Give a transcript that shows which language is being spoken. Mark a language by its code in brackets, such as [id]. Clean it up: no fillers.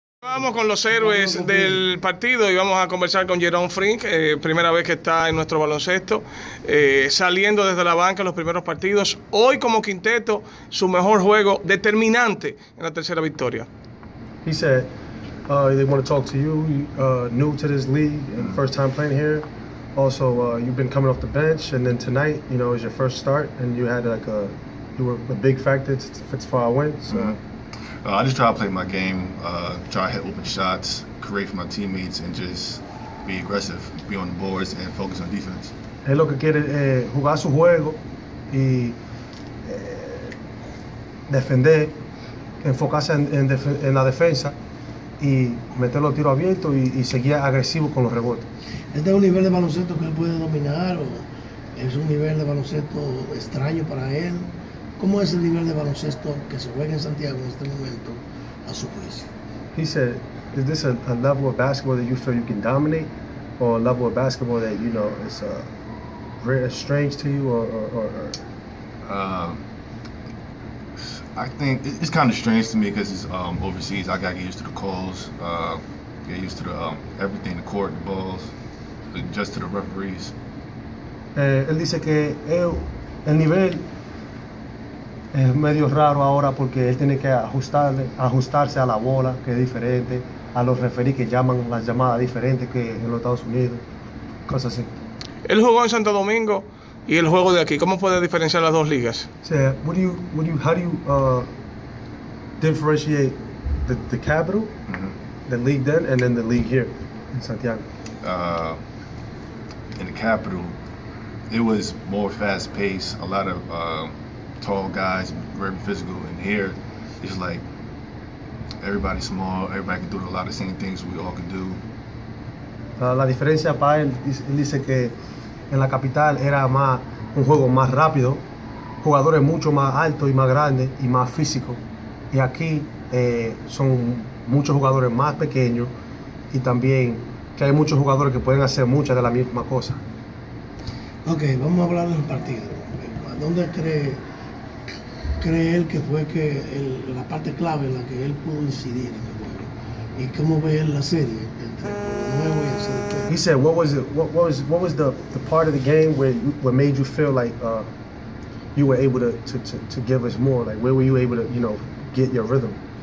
[es] Vamos con los héroes del partido y vamos a conversar con Jerome Frink, primera vez que está en nuestro baloncesto, saliendo desde la banca en los primeros partidos. Hoy como quinteto, su mejor juego determinante en la tercera victoria. [en] He said they want to talk to you, new to this league and first time playing here. Also, you've been coming off the bench and then tonight, you know, is your first start and you had like a, you were a big factor for our win. So. I just try to play my game, try to hit open shots, create for my teammates, and just be aggressive, be on the boards, and focus on defense. [es] Es lo que quiere jugar su juego y defender, enfocarse en la defensa y meter los tiros abiertos y seguir agresivo con los rebotes. ¿Este es un nivel de baloncesto que él puede dominar o es un nivel de baloncesto extraño para él? ¿Cómo es el nivel de baloncesto que se juega en Santiago en este momento a su juicio? [en] He said, is this a level of basketball that you feel you can dominate, or a level of basketball that, you know, is very strange to you, or? I think it's kind of strange to me because it's overseas. I got used to the calls, get used to the everything, the court, the balls, adjust to the referees. [es] Él dice que el nivel es medio raro ahora porque él tiene que ajustarse a la bola, que es diferente, a los referees que llaman las llamadas diferentes que en los Estados Unidos, cosas así. Él jugó en Santo Domingo y el juego de aquí, ¿cómo puede diferenciar las dos ligas? [en] So, how do you differentiate the capital, the league then, and then the league here in Santiago? In the capital, it was more fast paced, a lot of tall guys, very physical, and here it's like everybody's small, everybody can do a lot of same things we all can do. [es] La diferencia para él, él dice que en la capital era más un juego más rápido, jugadores mucho más altos y más grandes y más físicos, y aquí son muchos jugadores más pequeños y también que hay muchos jugadores que pueden hacer muchas de la misma cosa. Ok, vamos a hablar del partido. ¿Dónde cree él que fue que la parte clave en la que él pudo incidir en el juego? ¿Y cómo ve él la serie entre el nuevo y el [en] He said, what was the part of the game where made you feel like you were able to give us more? Like, where were you able to, you know, get your rhythm?